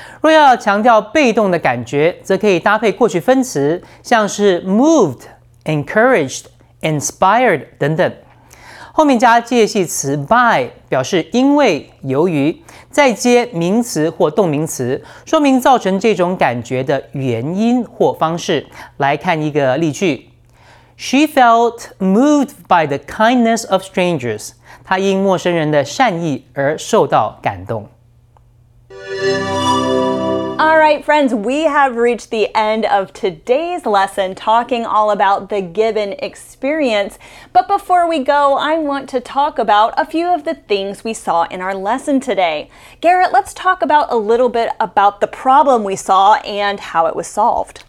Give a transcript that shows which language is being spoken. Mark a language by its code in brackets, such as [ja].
[zh] 若要强调被动的感觉，则可以搭配过去分词，像是 moved、encouraged、inspired 等等。后面加介系词 by 表示因为、由于，再接名词或动名词，说明造成这种感觉的原因或方式。来看一个例句 [en] ：She felt moved by the kindness of strangers. [zh] 她因陌生人的善意而受到感动。 [en] All right, friends, we have reached the end of today's lesson talking all about the Gibbon experience. But before we go, I want to talk about a few of the things we saw in our lesson today. Garrett, let's talk about a little bit about the problem we saw and how it was solved.